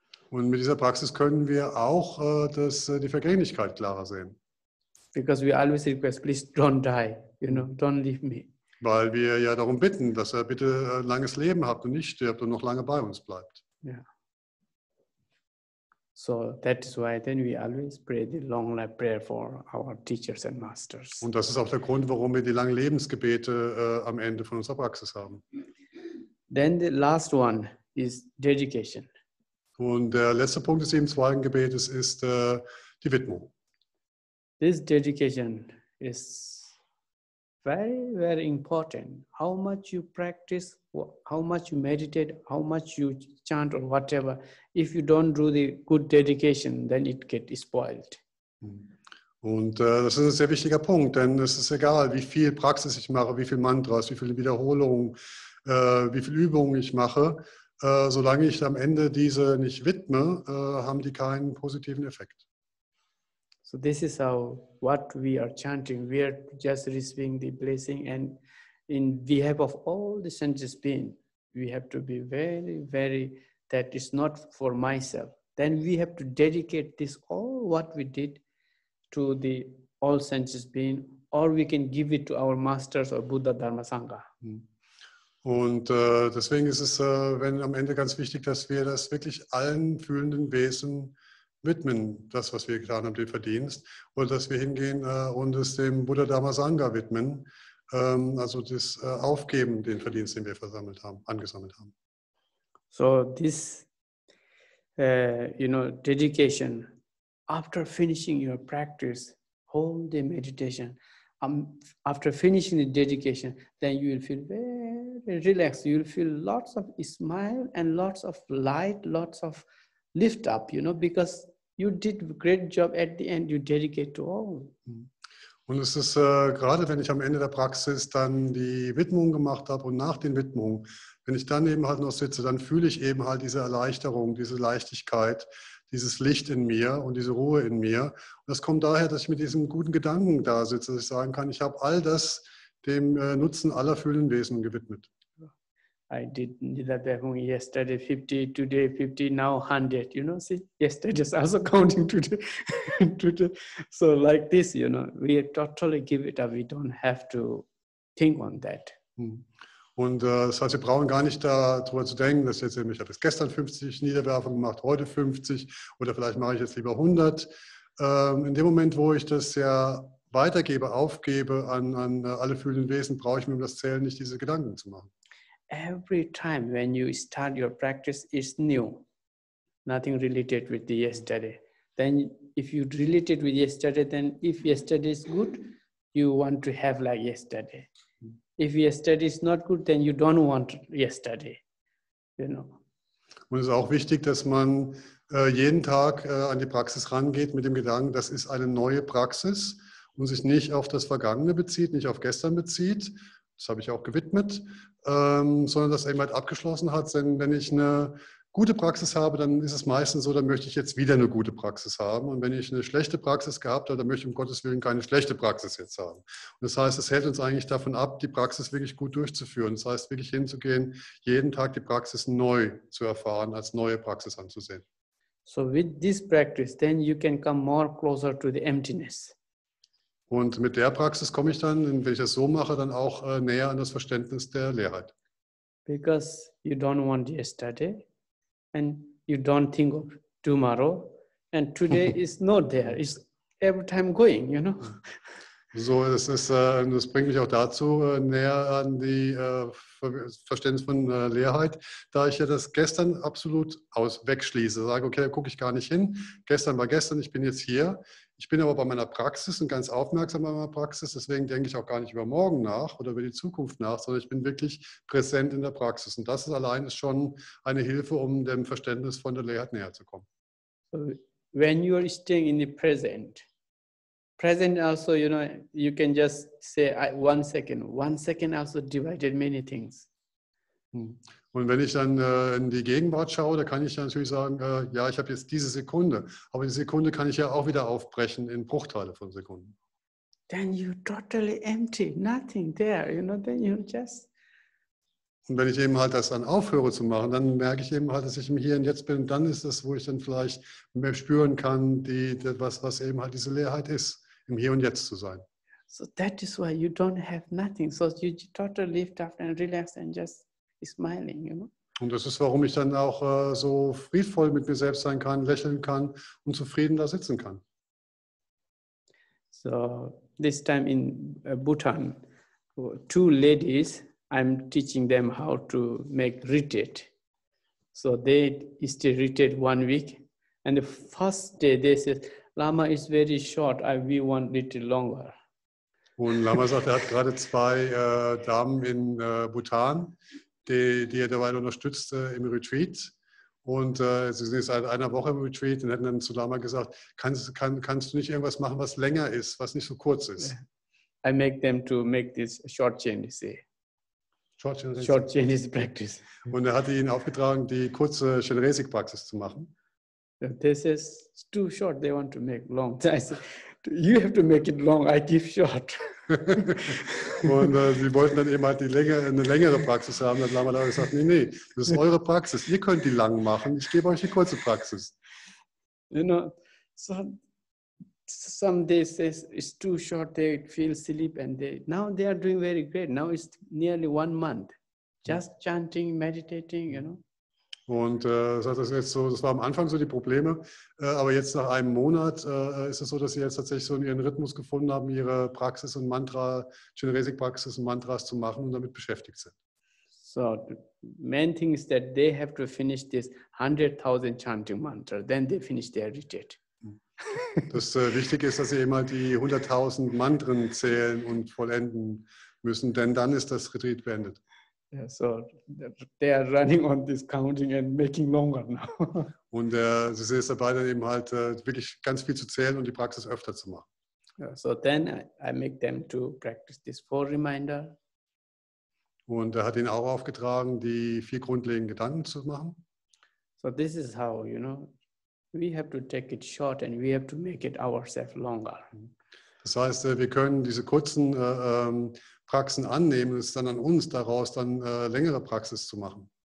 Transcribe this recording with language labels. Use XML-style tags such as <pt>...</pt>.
<de>Und mit dieser Praxis können wir auch die Vergänglichkeit klarer sehen.</de> <en>Because we always request, please don't die, you know, don't leave me.</en> <de>Weil wir ja darum bitten, dass er bitte ein langes Leben hat und nicht stirbt und noch lange bei uns bleibt.</de> <en>Yeah. So that is why then we always pray the long life prayer for our teachers and masters.</en> <de>Und das ist auch der Grund, warum wir die langen Lebensgebete am Ende von unserer Praxis haben.</de> <en>Then the last one is dedication.</en> <de>Und der letzte Punkt des sieben zweiten Gebetes ist die Widmung.</de> <en>This dedication is very, very important. How much you practice, how much you meditate, how much you chant or whatever. If you don't do the good dedication, then it gets spoiled.</en> <de>Und das ist ein sehr wichtiger Punkt, denn es ist egal, wie viel Praxis ich mache, wie viel Mantras, wie viele Wiederholungen, wie viel Übungen ich mache. Solange ich am Ende diese nicht widme, haben die keinen positiven Effekt.</de> <en>So this is how what we are chanting. We are just receiving the blessing, and in behalf of all the sentient beings, we have to be very, very. That is not for myself. Then we have to dedicate this all what we did to the all sentient beings, or we can give it to our masters or Buddha Dharma Sangha.</en> <de>Und deswegen ist es, wenn am Ende ganz wichtig, dass wir das wirklich allen fühlenden Wesen widmen, das, was wir getan haben, den Verdienst, oder dass wir hingehen und es dem Buddha Dharma Sangha widmen, also das Aufgeben, den Verdienst, den wir versammelt haben, angesammelt haben.</de> <en>So this, you know, dedication, after finishing your practice, hold the meditation, after finishing the dedication, then you will feel very relaxed, you will feel lots of smile and lots of light, lots of lift up, you know, because you did a great job at the end, you dedicate to all.</en> <de>Und es ist gerade, wenn ich am Ende der Praxis dann die Widmung gemacht habe und nach den Widmungen, wenn ich dann eben halt noch sitze, dann fühle ich eben halt diese Erleichterung, diese Leichtigkeit, dieses Licht in mir und diese Ruhe in mir. Und das kommt daher, dass ich mit diesem guten Gedanken da sitze, dass ich sagen kann, ich habe all das dem Nutzen aller fühlenden Wesen gewidmet.</de> <en>I did Nidabhavung yesterday 50, today 50, now 100, you know, see, yesterday just also counting today, today. So like this, you know, we totally give it up, we don't have to think on that.</en> <de>Und das heißt, wir brauchen gar nicht darüber zu denken, dass jetzt eben, ich habe jetzt gestern 50 Niederwerfung gemacht, heute 50 oder vielleicht mache ich jetzt lieber 100. In dem Moment, wo ich das ja weitergebe, aufgebe an alle fühlenden Wesen, brauche ich mir um das Zählen nicht diese Gedanken zu machen.</de> <en>Every time when you start your practice is new, nothing related with the yesterday. Then if you relate it with yesterday, then if yesterday is good, you want to have like yesterday. If yesterday is not good, then you don't want yesterday, you know.</en> <de>Und es ist auch wichtig, dass man jeden Tag an die Praxis rangeht mit dem Gedanken, das ist eine neue Praxis und sich nicht auf das Vergangene bezieht, nicht auf gestern bezieht. Das habe ich auch gewidmet, sondern dass er eben halt abgeschlossen hat. Denn wenn ich eine gute Praxis habe, dann ist es meistens so, dann möchte ich jetzt wieder eine gute Praxis haben. Und wenn ich eine schlechte Praxis gehabt habe, dann möchte ich um Gottes Willen keine schlechte Praxis jetzt haben. Und das heißt, es hält uns eigentlich davon ab, die Praxis wirklich gut durchzuführen. Das heißt, wirklich hinzugehen, jeden Tag die Praxis neu zu erfahren, als neue Praxis anzusehen.</de> <en>So with this practice, then you can come more closer to the emptiness.</en> <de>Und mit der Praxis komme ich dann, wenn ich das so mache, dann auch näher an das Verständnis der Leerheit.</de> <en>Because you don't want yesterday and you don't think of tomorrow and today is not there. It's every time going, you know.</en> <de>So, das ist, das bringt mich auch dazu näher an die Verständnis von Leerheit, da ich ja das Gestern absolut aus wegschließe. Sage, okay, da gucke ich gar nicht hin. Gestern war gestern, ich bin jetzt hier. Ich bin aber bei meiner Praxis und ganz aufmerksam bei meiner Praxis. Deswegen denke ich auch gar nicht über morgen nach oder über die Zukunft nach, sondern ich bin wirklich präsent in der Praxis. Und das ist allein ist schon eine Hilfe, um dem Verständnis von der Leerheit näher zu kommen.</de> <en>When you are staying in the present, present also, you know, you can just say one second. One second also divided many things.</en> <de>Und wenn ich dann in die Gegenwart schaue, da kann ich natürlich sagen, ja, ich habe jetzt diese Sekunde. Aber die Sekunde kann ich ja auch wieder aufbrechen in Bruchteile von Sekunden.</de> <en>Then you're totally empty, nothing there, you know, then you're just...</en> <de>Und wenn ich eben halt das dann aufhöre zu machen, dann merke ich eben halt, dass ich im Hier und Jetzt bin. Und dann ist das, wo ich dann vielleicht mehr spüren kann, die, was, was eben halt diese Leerheit ist, im Hier und Jetzt zu sein.</de> <en>So that is why you don't have nothing. So you totally lift up and relax and just smiling, you know?</en> <de>Und das ist, warum ich dann auch so friedvoll mit mir selbst sein kann, lächeln kann und zufrieden da sitzen kann.</de> <en>So this time in Bhutan, two ladies... I'm teaching them how to make retreat. So they stay retreat 1 week. And the first day they said, Lama is very short, we want a little longer.</en> <de>Und Lama sagt, er hat gerade zwei Damen in Bhutan, die er dabei unterstützt im Retreat. Und sie sind seit einer Woche im Retreat und hätten dann zu Lama gesagt, kannst du nicht irgendwas machen, was länger ist, was nicht so kurz ist?</de> <en>I make them to make this short chain, you see. Short Chinese practice.</en> <de>Und er hatte ihnen aufgetragen, die kurze Chinesik-Praxis zu machen.</de> <en>This is too short, they want to make long. I said, you have to make it long, I give short.</en> <de>Und sie wollten dann eben halt eine längere Praxis haben. Dann haben wir dann gesagt, nee, das ist eure Praxis. Ihr könnt die lang machen, ich gebe euch die kurze Praxis.</de> <en>You know, some days it's too short, they feel sleep and now they are doing very great. Now it's nearly 1 month, just chanting, meditating, you know.</en> <de>Und das ist jetzt so, das war am Anfang so die Probleme, aber jetzt nach einem Monat ist es so, dass sie jetzt tatsächlich so in ihren Rhythmus gefunden haben, ihre Praxis und Mantra, Chinesik-Praxis und Mantras zu machen und damit beschäftigt sind.</de> <en>So, the main thing is that they have to finish this 100,000 chanting mantra, then they finish their retreat.</en> <de>Das Wichtige ist, dass sie immer die 100,000 Mantren zählen und vollenden müssen, denn dann ist das Retreat beendet.</de> <en>Yeah, so they are running on this counting and making longer now.</en> <de>Und sie sind dabei, dann eben halt wirklich ganz viel zu zählen und die Praxis öfter zu machen.</de> <en>Yeah, so then I make them to practice this 4 reminder.</en> <de>Und er hat ihnen auch aufgetragen, die 4 grundlegenden Gedanken zu machen.</de> <en>So this is how, you know. We have to take it short and we have to make it ourselves longer.</en> <de>Das heißt, wir können diese kurzen Praxen annehmen, es ist dann an uns, daraus dann längere Praxis zu machen.</de>